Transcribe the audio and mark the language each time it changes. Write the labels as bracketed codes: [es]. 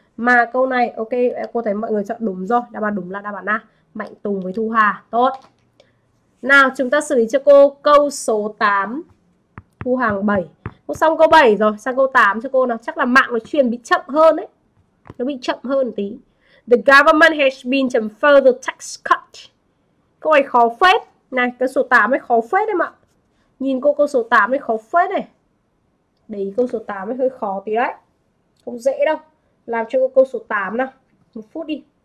[vi] Mà câu này, ok, cô thấy mọi người chọn đúng rồi. Đáp án đúng là đáp án A. Mạnh Tùng với Thu Hà. Tốt. Nào, chúng ta xử lý cho cô câu số 8. Thu Hàng 7. Cô xong câu 7 rồi, sang câu 8 cho cô nào. Chắc là mạng nó truyền bị chậm hơn đấy. Nó bị chậm hơn tí. [en] The government has been some further tax cut. [vi] Câu này khó phết. Này, cái số 8 ấy khó phết em ạ. Nhìn cô câu số 8 ấy khó phết này. Đấy, câu số 8 ấy hơi khó tí đấy. Không dễ đâu. Làm cho cô câu số 8 nào. Một phút đi.